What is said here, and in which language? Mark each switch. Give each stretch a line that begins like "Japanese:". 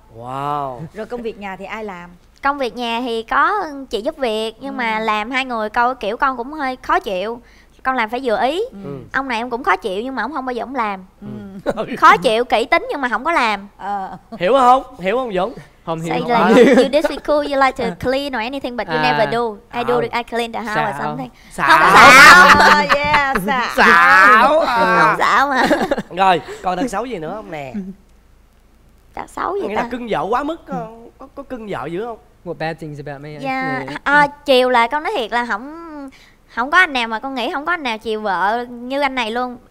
English: Wow.
Vietnamese: Rồi công việc nhà thì ai làm? Công việc nhà thì có chị giúp việc nhưng mà làm hai người coi kiểu con cũng hơi khó chịu. Con làm phải vừa ý. Ông này em cũng khó chịu nhưng mà ông không bao giờ ông làm. Khó chịu kỹ tính nhưng mà không có làm. Hiểu không? Hiểu không Dũng? Không hiểu.
English: So like you disagree cool, you like to clean or anything but you never do. I do I clean the house or something.
Vietnamese: Xạo. Không xạo.
English: Yeah,
Vietnamese: xạo. Không xạo mà. Rồi, còn đằng xấu gì nữa không nè? Đằng xấu gì ta? Nghĩa là cưng vợ quá mức có cưng vợ dữ không?
English: What bad things about me?
Vietnamese: Yeah. Chiều là con nói thiệt là không không có anh nào mà con nghĩ không có anh nào chiều vợ như anh này luôn.